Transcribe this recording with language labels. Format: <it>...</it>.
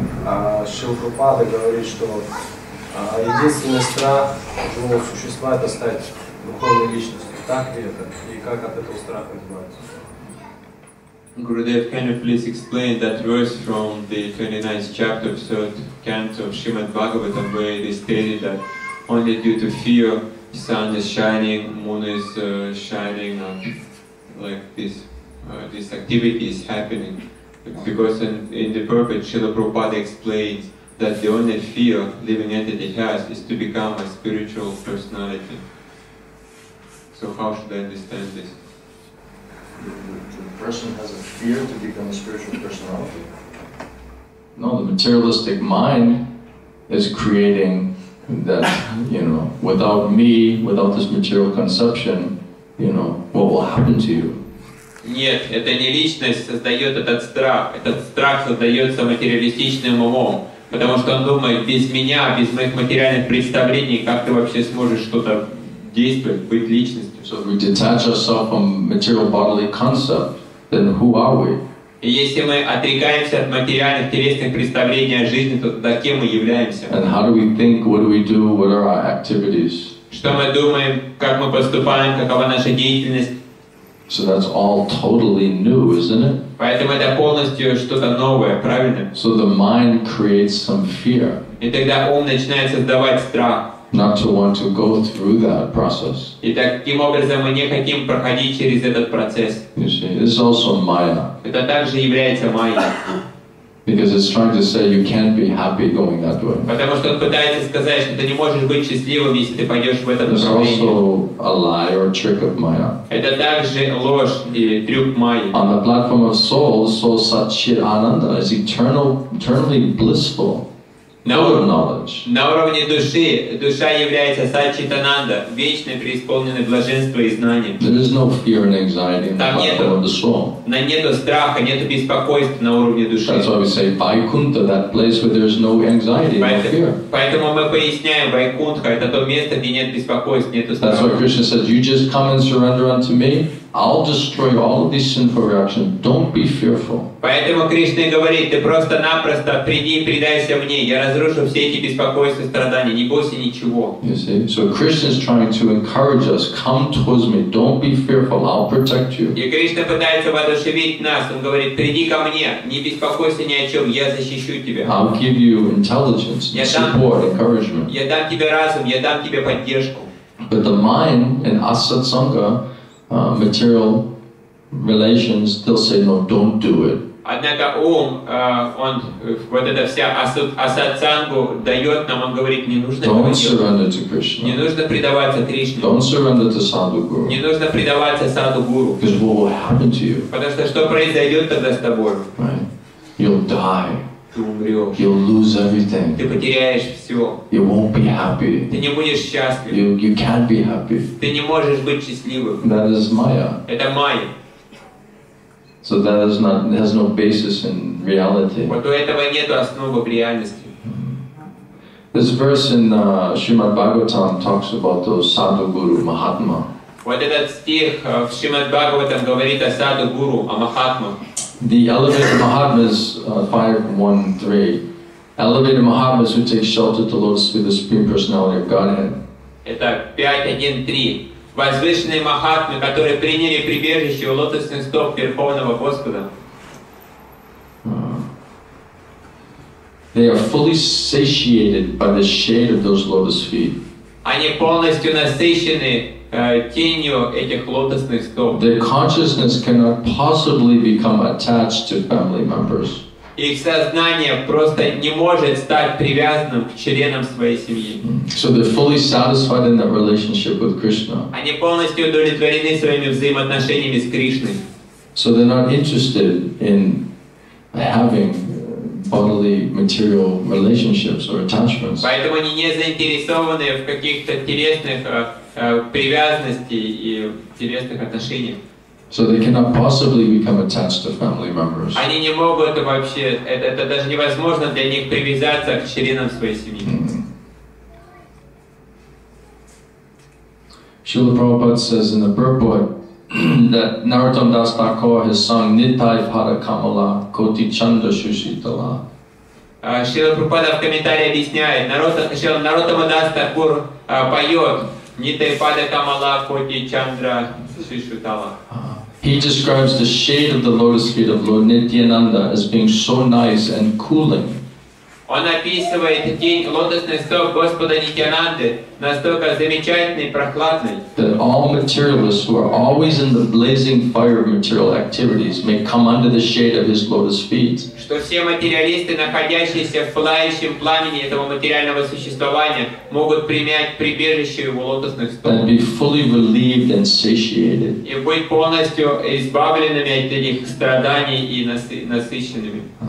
<ru>А Шилпрупада говорит, что единственный страх живого существа – это стать духовной личностью. Так ли это? И как от этого страха избавиться?</ru> <en>Gurudev, can you please explain that verse from the 29th chapter, 3rd canto of Srimad Bhagavatam, where it is stated that only due to fear, sun is shining, moon is shining, and like this, this activity is happening. Because in the purport, Srila Prabhupada explains that the only fear living entity has is to become a spiritual personality. So how should I understand this? The person has a fear to become a spiritual personality. No, the materialistic mind is creating that, you know, without me, without this material conception, you know, what will happen to you?</en> <ru>Нет, это не личность создает этот страх. Этот страх создается материалистичным умом, потому что он думает, без меня, без моих материальных представлений, как ты вообще сможешь что-то действовать, быть личностью?</ru> <en>So if we detach ourselves from material bodily concept, then who are we?</en> <ru>Если мы отрекаемся от материальных телесных представлений о жизни, то тогда кем мы являемся?</ru> <en>And how do we think? What do we do? What are our activities?</en> <ru>Что мы думаем? Как мы поступаем? Какова наша деятельность?</ru> <en>So that's all totally new, isn't it?</en> <ru>Поэтому это полностью что-то новое, правильно?</ru> <en>So the mind creates some fear.</en> <ru>И тогда ум начинает создавать страх.</ru> <en>Not to want to go through that process.</en> <ru>И таким образом мы не хотим проходить через этот процесс.</ru> <en>You see, this is also майя.</en> <ru>Это также является майя.</ru> <en>Because it's trying to say you can't be happy going that way.</en> <ru>Потому что он пытается сказать, что ты не можешь быть счастливым, если ты пойдешь в этот направление.</ru> <en>It's also a lie or a trick of майя.</en> <ru>Это также ложь и трюк майя.</ru> <en>On the platform of souls, soul Satchit Ananda is eternally blissful.</en> <ru>На уровне души душа является сатчитананда, вечной, преисполненной блаженства и знания.</ru> <en>There is no fear and anxiety in the platform of the soul.</en> <ru>На нету страха, нету беспокойства на уровне души.</ru> <en>That's why we say Vaikuntha, that place where there is no anxiety, no fear.</en> <ru>Поэтому мы поясняем Вайкунтха, это то место, где нет беспокойства, нету страха.</ru> <en>That's why Krishna says, you just come and surrender unto me. I'll destroy all of these sinful reactions. Don't be fearful.</en> <ru>Поэтому Кришна говорит, ты просто-напросто приди и предайся мне. Я разрушу все эти беспокойства, страдания. Не бойся ничего.</ru> <en>You see? So Krishna is trying to encourage us. Come towards me. Don't be fearful. I'll protect you.</en> <ru>И Кришна пытается воодушевить нас. Он говорит, приди ко мне. Не беспокойся ни о чем. Я защищу тебя.</ru> <en>I'll give you intelligence, support, encouragement.</en> <ru>Я дам тебе разум. Я дам тебе поддержку.</ru> <en>But the mind in asatsanga, material relations, still say no, don't do it.</en> <ru>Однако ум, он вот эта вся асатсангу дает нам, он говорит, не нужно.</ru> <en>Don't surrender to Krishna.</en> <ru>Не нужно предаваться Кришне.</ru> <en>Don't surrender to Sadhu Guru.</en> <ru>Не нужно предаваться Sadhu Guru.</ru> <en>Because what will happen to you?</en> <ru>Потому что что произойдет тогда с тобой?</ru> <en>Right. You'll die.</en> <ru>Ты умрешь.</ru> <en>You'll lose everything.</en> <ru>Ты потеряешь все.</ru> <en>You won't be happy.</en> <ru>Ты не будешь счастлив.</ru> <en>You can't be happy.</en> <ru>Ты не можешь быть счастливым.</ru> <en>That is Maya.</en> <ru>Это майя.</ru> <en>So that is not, has no basis in reality.</en> <ru>Вот у этого нету основы в реальности.</ru> <en>This verse in Srimad Bhagavatam talks about those Sadhu Guru Mahatma.</en> <ru>Вот этот стих в Srimad Bhagavatam говорит о Sadhu Guru, о Mahatma.</ru> <en>The elevated Mahatmas, 5.1.3, elevated Mahatmas who take shelter to Lotus Feet, the Supreme Personality of Godhead.</en> <ru>Это 5.1.3. Возвышенные Махатмы, которые приняли прибежище у лотосных стоп Верховного Господа.</ru> <en>They are fully satiated by the shade of those Lotus Feet.</en> <ru>Они полностью насыщены тенью этих лотосных стоп.</ru> <en>Their consciousness cannot possibly become attached to family members.</en> <ru>Их сознание просто не может стать привязанным к членам своей семьи.</ru> <en>So they're fully satisfied in that relationship with Krishna.</en> <ru>Они полностью удовлетворены своими взаимоотношениями с Кришной.</ru> <en>So they're not interested in having bodily material relationships or attachments.</en> <ru>Поэтому они не заинтересованы в каких-то телесных привязанности и телесных отношениях.</ru> <en>So they cannot possibly become attached to family members.</en> <ru>Они не могут вообще, это даже невозможно для них привязаться к членам своей семьи.</ru> <en>Srila Prabhupada says in the Burpoet that Narottam Das Thakur has sung Nitai Pada Kamala Koti Chanda Shushitala.</en> <ru>Srila Prabhupada в комментарии объясняет, Narottam Das Thakur поет Nitai Pada Kamala Koti Chandra Shushitala.</ru> <en>He describes the shade of the lotus feet of Lord Nityananda as being so nice and cooling.</en> <ru>Он описывает тень лотосных стоп Господа Нитьянанды настолько замечательной и прохладной.</ru> <en>That all materialists who are always in the blazing fire of material activities may come under the shade of his lotus feet.</en> <ru>Что все материалисты, находящиеся в пылающем пламени этого материального существования, могут принять прибежище его лотосных стоп.</ru> <en>And be fully relieved and satiated.</en> <ru>И быть полностью избавленными от этих страданий и насыщенными.</ru>